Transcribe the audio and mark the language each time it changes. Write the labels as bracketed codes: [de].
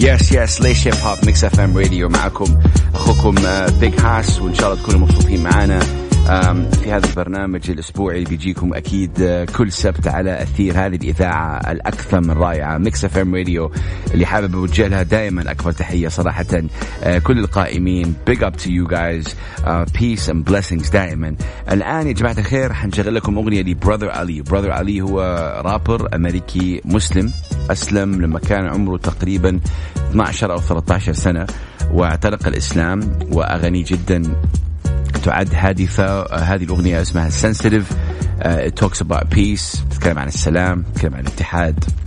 [ar] Yes, yes, Laish Hip Hop, Mix FM Radio, معكم أخوكم Big Hass, وإن شاء الله تكونوا مبسوطين معنا في هذا البرنامج الأسبوعي اللي بيجيكم أكيد كل سبت على أثير هذه الإذاعة الأكثر من رائعة, Mix FM Radio, اللي حابب أوجه لها دائما أكبر تحية صراحة كل القائمين. [en] Big up to you guys, peace and blessings [ar] دائما. الآن يا جماعة الخير حنشغل لكم أغنية لـ Brother Ali. Brother Ali هو رابر أمريكي مسلم أسلم لما كان عمره تقريبا 12 أو 13 سنة واعتنق الإسلام, وأغني جدا تعد هادفة. هذه الأغنية اسمها Sensitive, [en] it talks about peace, [ar] تتكلم عن السلام, تتكلم عن الاتحاد.